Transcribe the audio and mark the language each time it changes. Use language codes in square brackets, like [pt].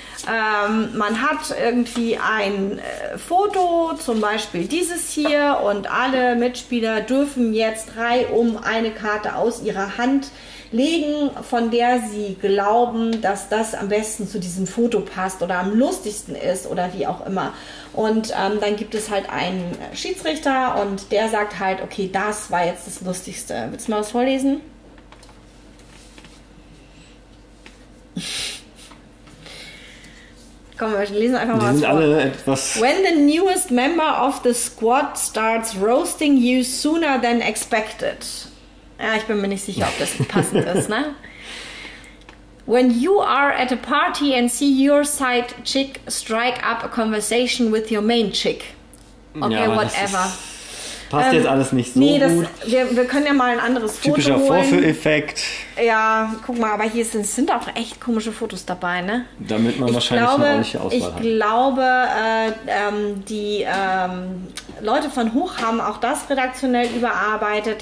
[de] Man hat irgendwie ein Foto, zum Beispiel dieses hier, und alle Mitspieler dürfen jetzt reihum eine Karte aus ihrer Hand legen, von der sie glauben, dass das am besten zu diesem Foto passt oder am lustigsten ist oder wie auch immer. Und dann gibt es halt einen Schiedsrichter und der sagt halt, okay, das war jetzt das Lustigste. Willst du mal was vorlesen? Komm, wir lesen einfach mal die sind vor. Alle etwas. [en] When the newest member of the squad starts roasting you sooner than expected. [de] Ja, ich bin mir nicht sicher, ob das passend ist, ne? [en] When you are at a party and see your side chick strike up a conversation with your main chick. Okay, [de] ja, [en] whatever. [de] Passt jetzt alles nicht so gut. Wir können ja mal ein anderes Foto holen. Typischer Vorführeffekt. Ja, guck mal, aber hier sind auch echt komische Fotos dabei, ne? Damit man wahrscheinlich eine ordentliche Auswahl hat. Ich glaube, die Leute von Hoch haben auch das redaktionell überarbeitet.